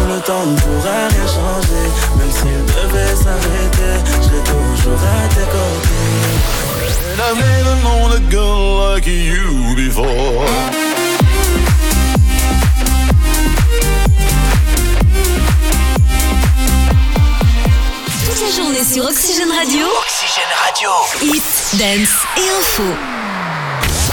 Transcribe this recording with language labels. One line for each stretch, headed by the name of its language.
French: On ne pourrait rien changer. Même s'il devait s'arrêter, j'ai toujours à tes côtés.
English: And I've never known a girl like you before.
French: Toute la journée sur Oxygène Radio. Oxygène Radio. Hit, dance et info.